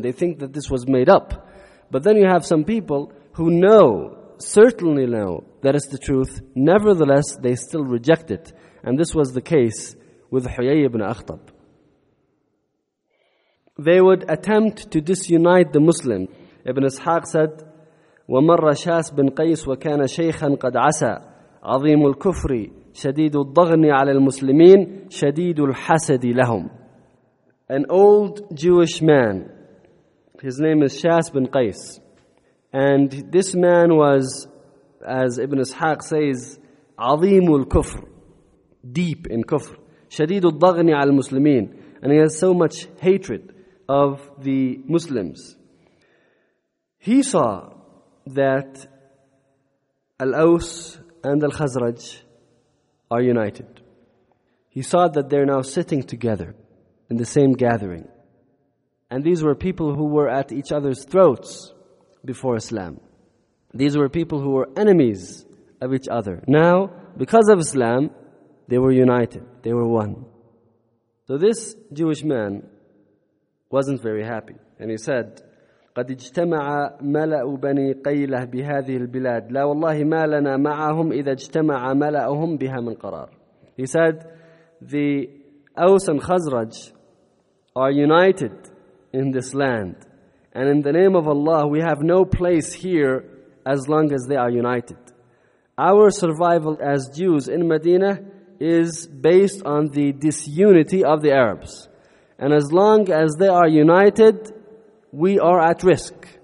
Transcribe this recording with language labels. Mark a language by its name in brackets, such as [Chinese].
[English] They think that this was made up. But then you have some people who know, certainly know, that it's the truth. Nevertheless, they still reject it. And this was the case with Huyay ibn Akhtab. They would attempt to disunite the Muslim. Ibn Ishaq said, [Arabic] وَمَرَّ شَاسْ بِنْ قَيْسُ وَكَانَ شَيْخًا قَدْ عَسَى عَظِيمُ الْكُفْرِ شَدِيدُ الضَّغْنِ عَلَى الْمُسْلِمِينَ شَدِيدُ الْحَسَدِ لَهُمْ. [English] An old Jewish man, his name is Shas bin Qais, and this man was, as Ibn Ishaq says, [Arabic] عَظِيمُ الْكُفْرِ, [English] deep in kufr, [Arabic] شَدِيدُ الضَّغْنِ عَلَى الْمُسْلِمِينَ, [English] and he has so much hatred of the Muslims. He saw that Al-Aws and Al-Khazraj are united. He saw that they're now sitting together in the same gathering. And these were people who were at each other's throats before Islam. These were people who were enemies of each other. Now, because of Islam, they were united. They were one. So this Jewish man wasn't very happy. And he said, [Arabic] قد اجتمع ملأ بني قيلة بهذه البلاد لا والله ما لنا معهم إذا اجتمع ملأهم بها من قرار. [English] He said, the Aws and Khazraj are united in this land, and in the name of Allah, we have no place here as long as they are united. Our survival as Jews in Medina is based on the disunity of the Arabs, and as long as they are united, we are at risk.